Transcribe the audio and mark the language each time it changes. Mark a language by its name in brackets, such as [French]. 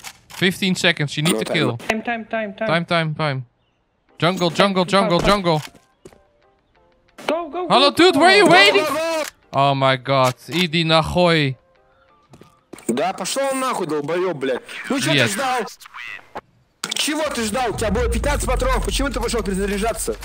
[English] ...15 seconds, you need to kill. Time. Jungle. Go. Hallo dude, where are you waiting? Oh my god, [Russian] иди нахуй. Да пошел нахуй, долбоёб, блядь. Ну что ты ждал? Чего ты ждал? У тебя было 15 патронов. Почему ты пошел перезаряжаться?